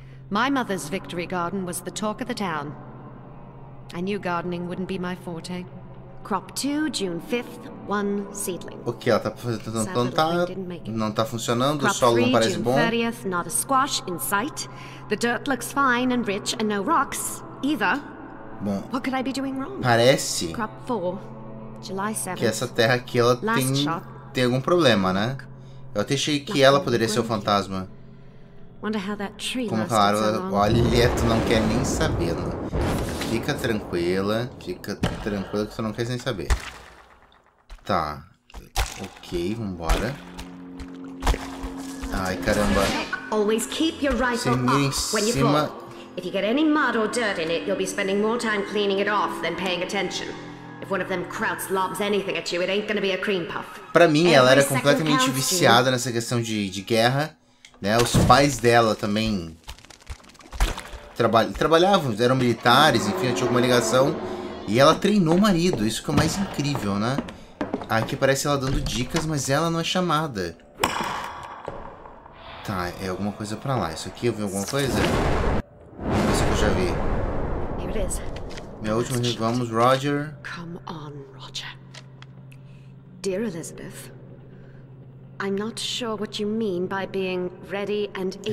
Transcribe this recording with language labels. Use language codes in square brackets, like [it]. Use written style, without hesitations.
[en] My mother's victory garden was the talk of the town. I knew gardening wouldn't be my forte. Crop 2, June 5th, 1 seedling. [pt] Ok, ela tá tentando plantar. Não tá funcionando, o solo não parece bom. [en] Crop 3, June 30th, not a squash in sight. The dirt looks fine and rich and no rocks either. [pt] Bom, [en] what could I be doing wrong? [pt] Parece. [en] Crop 4, July 7th. [pt] Que essa terra aqui ela tem algum problema, né? Eu até achei que ela poderia ser o fantasma. Como claro, olha, tu não quer nem saber. Não. Fica tranquila que tu não quer nem saber. Tá, ok, vambora. Ai, caramba. Você mira em cima. [en] If you get any mud or dirt in it, you'll be spending more time cleaning it off than paying attention. If one of them krauts lobs anything at you, it ain't gonna be a cream puff. [pt] Pra mim, ela era completamente viciada nessa questão de guerra, né? Os pais dela também trabalhavam, eram militares, enfim, tinha alguma ligação. E ela treinou o marido, isso que é o mais incrível, né? Aqui parece ela dando dicas, mas ela não é chamada. Tá, é alguma coisa pra lá. Isso aqui, eu vi alguma coisa? Não sei se eu já vi. [en] Here it is. [pt] Meu último rio, vamos, Roger. [en] Come on, Roger. Dear Elizabeth, I'm not sure what you mean by being ready and able to.